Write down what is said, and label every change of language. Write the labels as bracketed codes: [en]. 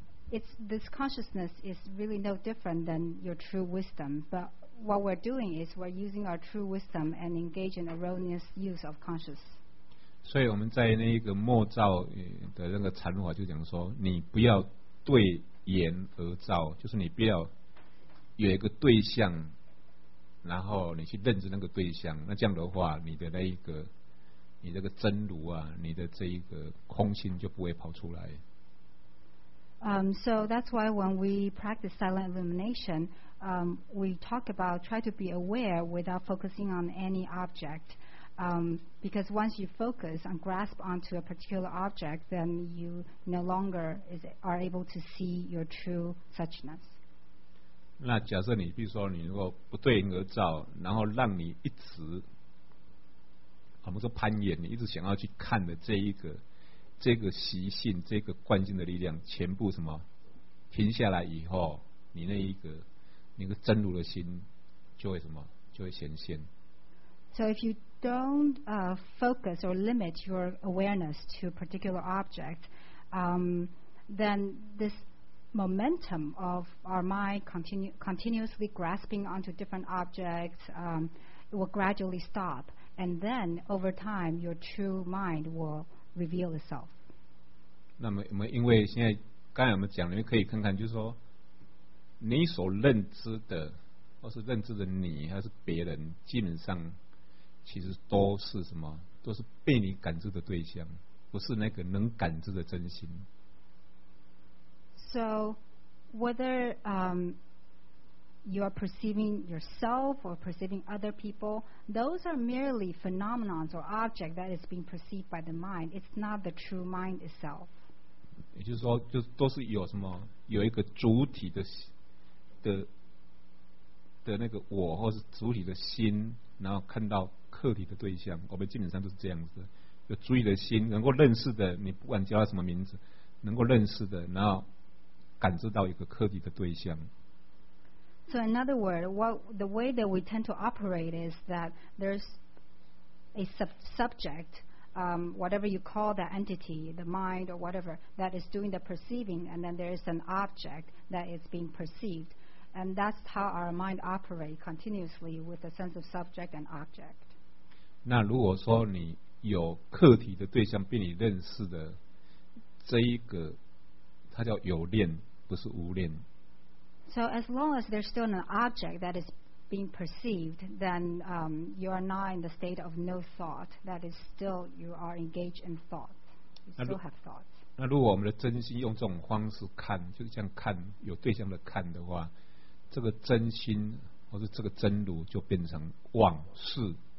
[en] This consciousness is really no different than your true wisdom. But what we're doing is we're using our true wisdom and engage in erroneous use of consciousness. [zh] 所以我们在那个默照的那个禅法就讲说，你不要对眼而照，就是你不要有一个对象，然后你去认知那个对象，那这样的话你的那一个你这个真如啊，你的这一个空性就不会跑出来。 [en] So that's why when we practice silent illumination, we talk about try to be aware without focusing on any object. Because once you focus and grasp onto a particular object, then you no longer are able to see your true suchness. [zh] 那假设你比如说你如果不对应而照，然后让你一直我们说攀岩，你一直想要去看的这个习性，这个惯性的力量全部什么停下来以后，你那一个你的真如的心就会什么就会显现。 [en] So if you don't focus or limit your awareness to a particular object, then this momentum of our mind continuously grasping onto different objects will gradually stop, and then over time your true mind will reveal itself. [zh] 那么因为现在刚才我们讲，你们可以看看，就是说你所认知的，或是认知的你，还是别人，基本上其实都是什么？都是被你感知的对象，不是那个能感知的真心。 [en] So, whether you are perceiving yourself or perceiving other people, those are merely phenomena or object that is being perceived by the mind. It's not the true mind itself. [zh] 也就是说，就都是有什么有一个主体的那个我，或是主体的心，然后看到。客体的对象，我们基本上都是这样子，有主体的心，能够认识的，你不管叫他什么名字，能够认识的，然后感知到一个客体的对象。 [en] So in other words, the way that we tend to operate is that there's a subject, whatever you call that entity, the mind or whatever, that is doing the perceiving, and then there is an object that is being perceived, and that's how our mind operates continuously with a sense of subject and object. [zh] 那如果说你有客体的对象被你认识的这一个它叫有恋不是无恋 [en] So as long as there's still an object that is being perceived then you are not in the state of no thought that is still you are engaged in thought you still have thought [zh] 那如果我们的真心用这种方式看就是这样看有对象的看的话这个真心或是这个真如就变成妄视